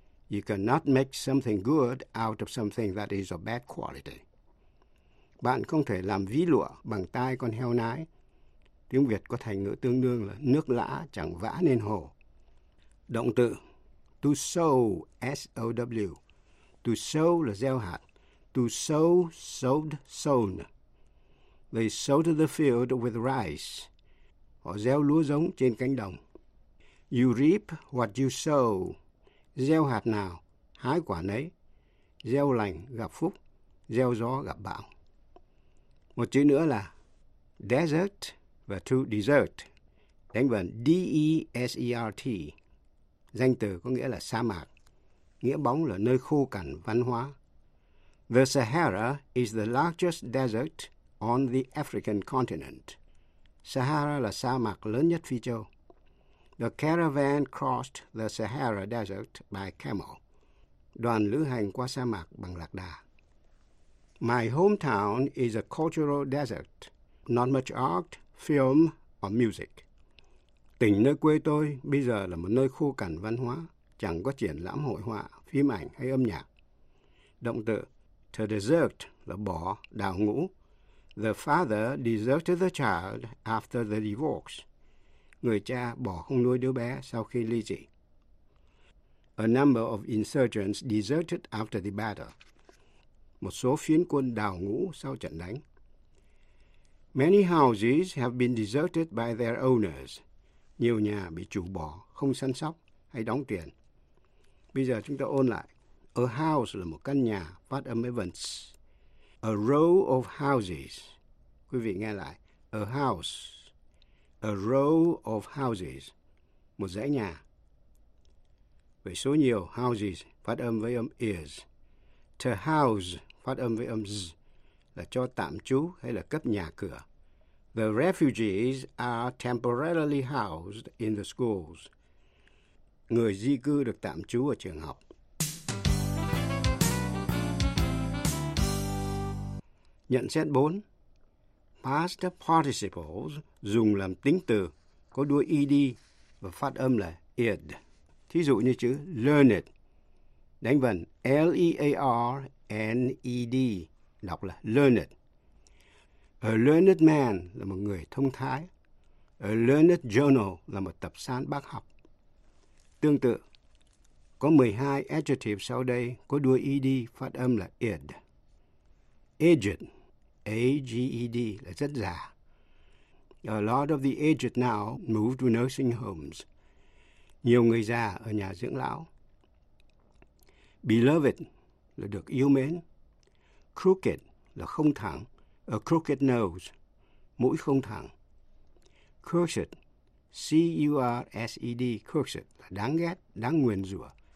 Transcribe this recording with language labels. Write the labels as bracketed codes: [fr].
[en] You cannot make something good out of something that is of bad quality. [vi] Bạn không thể làm ví lụa bằng tai con heo nái. Tiếng Việt có thành ngữ tương đương là nước lã chẳng vã nên hồ. Động từ to sow, S-O-W. To sow là gieo hạt. To sow, sowed, sown. [en] They sowed the field with rice. [vi] Họ gieo lúa giống trên cánh đồng. [en] You reap what you sow. [vi] Gieo hạt nào, hái quả nấy. Gieo lành gặp phúc, gieo gió gặp bão. Một chữ nữa là desert và to desert. Đánh vần D-E-S-E-R-T. Danh từ có nghĩa là sa mạc. Nghĩa bóng là nơi khô cằn văn hóa. [en] The Sahara is the largest desert on the African continent. [vi] Sahara là sa mạc lớn nhất phi châu. [en] The caravan crossed the Sahara Desert by camel. [vi] Đoàn lữ hành qua sa mạc bằng lạc đà. [en] My hometown is a cultural desert. Not much art, film, or music. [vi] Tỉnh nơi quê tôi bây giờ là một nơi khô cằn văn hóa, chẳng có triển lãm hội họa, phim ảnh hay âm nhạc. Động từ to desert là bỏ, đào ngũ. [en] The father deserted the child after the divorce. [vi] Người cha bỏ không nuôi đứa bé sau khi ly dị. [en] A number of insurgents deserted after the battle. [vi] Một số phiến quân đào ngũ sau trận đánh. [en] Many houses have been deserted by their owners. [vi] Nhiều nhà bị chủ bỏ, không săn sóc hay đóng tiền. Bây giờ chúng ta ôn lại. A house là một căn nhà, phát âm events. [en] A row of houses. [vi] Quý vị nghe lại. [en] A house. A row of houses. [vi] Một dãy nhà. Với số nhiều, houses, phát âm với âm ears. To house, phát âm với âm z, là cho tạm trú hay là cấp nhà cửa. [en] The refugees are temporarily housed in the schools. [vi] Người di cư được tạm trú ở trường học. Nhận xét 4. Past participles dùng làm tính từ, có đuôi ed và phát âm là ed. Thí dụ như chữ learned. Đánh vần L-E-A-R-N-E-D, đọc là learned. [en] A learned man [vi] là một người thông thái. [en] A learned journal [vi] là một tập san bác học. Tương tự, có 12 adjectives sau đây có đuôi ed phát âm là id. Aged, aged là rất già. [en] A lot of the aged now move to nursing homes. [vi] Nhiều người già ở nhà dưỡng lão. Beloved là được yêu mến. Crooked là không thẳng. [en] A crooked nose, [vi] mũi không thẳng. Cursed, C-U-R-S-E-D, cursed là đáng ghét, đáng nguyền rủa.